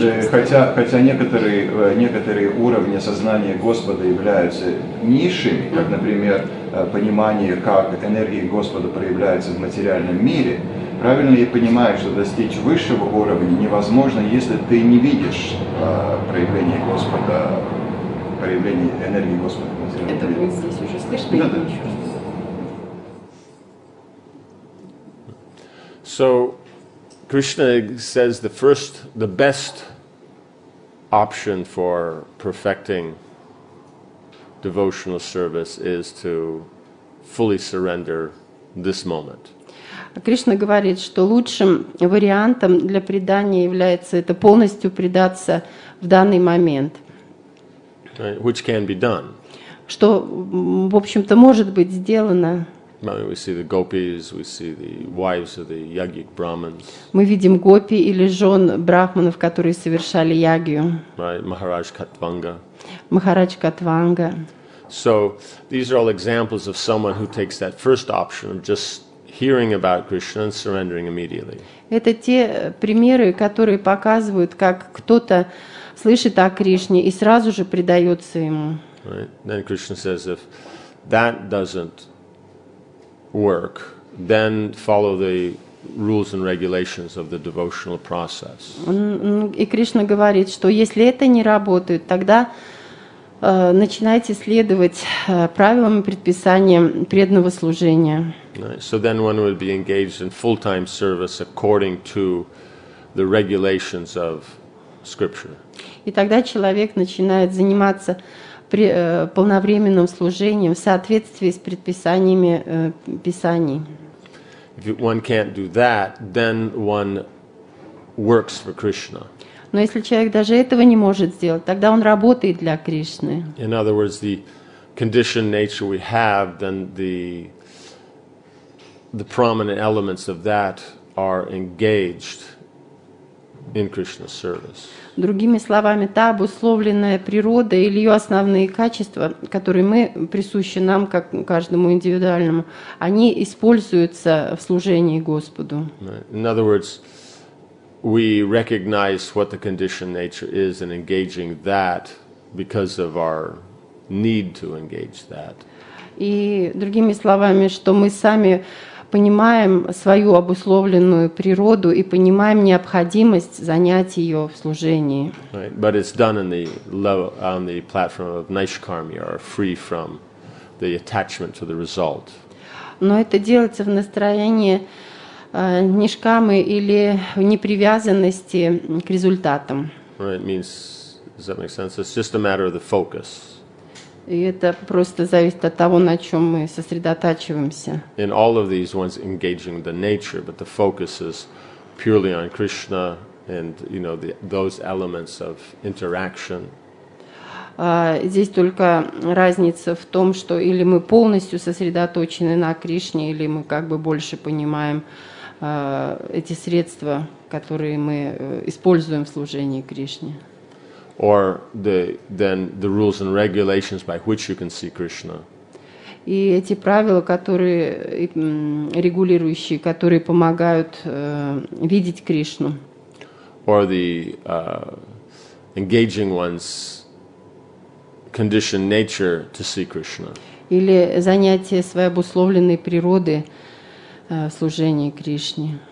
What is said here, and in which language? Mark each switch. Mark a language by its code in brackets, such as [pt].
[ru] Хотя некоторые уровни сознания Господа являются низшими, как, например, понимание, как энергии Господа проявляются в материальном мире, правильно я понимаю, что достичь высшего уровня невозможно, если ты не видишь проявление Господа, проявление энергии Господа в материальном мире? Это будет здесь уже слышно или не чувствуется? [en] So Krishna says the best option for perfecting devotional service is to fully surrender this moment. [ru] Кришна говорит, что лучшим вариантом для предания является это полностью предаться в данный момент. [en] Right, which can be done. [ru] Что, в общем-то, может быть сделано. [en] We see the gopis, we see the wives of the yagyic brahmins. [ru] Мы видим гопи или жен брахманов, которые совершали ягью. [en] Right, Maharaj Katvanga. [ru] Maharaj Katvanga. [en] So these are all examples of someone who takes that first option of just hearing about Krishna and surrendering immediately. [ru] Это те примеры, которые показывают, как кто-то слышит о Кришне и сразу же предается ему. [en] Right. Then Krishna says, if that doesn't work, then follow the rules and regulations of the devotional process. [ru] И Кришна говорит, что если это не работает, тогда начинайте следовать правилам и предписаниям преданного служения. [en] So then one would be engaged in full-time service according to the regulations of scripture. [ru] И тогда человек начинает заниматься полновременным служением в соответствии с предписаниями Писаний. [en] If one can't do that, then one works for Krishna. [ru] Но если человек даже этого не может сделать, тогда он работает для Кришны. [en] In other words, the conditioned nature we have, then the prominent elements of that are engaged in Krishna's service. [ru] Другими словами, та обусловленная природа или ее основные качества, которые мы присущи нам как каждому индивидуальному, они используются в служении Господу. [en] In other words, we recognize what the conditioned nature is and engaging that because of our need to engage that. [ru] И другими словами, что мы сами понимаем свою обусловленную природу и понимаем необходимость занять ее в служении. [en] Right, but it's done in the level, on the platform of naishkarmya, or free from the attachment to the result. [ru] Но это делается в настроении нишкамы или в непривязанности к результатам. [en] Right, means, does that make sense? It's just a matter of the focus. [ru] И это просто зависит от того, на чем мы сосредотачиваемся. [en] In all of these ones engaging the nature, but the focus is purely on Krishna and, you know, those elements of interaction. [ru] Здесь только разница в том, что или мы полностью сосредоточены на Кришне, или мы как бы больше понимаем эти средства, которые мы используем в служении Кришне. [en] Or the rules and regulations by which you can see Krishna. [ru] И эти правила, которые регулирующие, которые помогают видеть Кришну. [en] Or the engaging one's conditioned nature to see Krishna. [ru] Или занятие своей обусловленной природы служения Кришне.